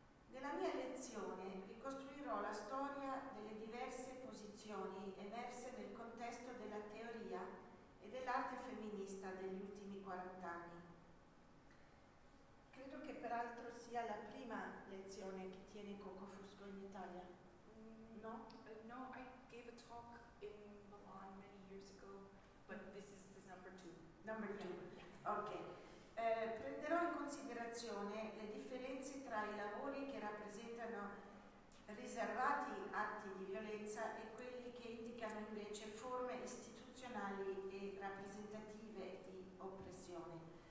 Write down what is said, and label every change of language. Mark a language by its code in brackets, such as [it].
[it] Nella mia lezione ricostruirò la storia delle diverse posizioni emerse nel contesto della teoria e dell'arte femminista degli ultimi 40 anni. Credo che peraltro sia la prima lezione che tiene Coco Fusco in Italia. No? [en] No, I gave a talk in Milan many years ago, but this is the number two. Number two, yeah. Ok. [it] Prenderò in considerazione le differenze tra i lavori che rappresentano riservati atti di violenza e quelli che indicano invece forme istituzionali e rappresentative di oppressione.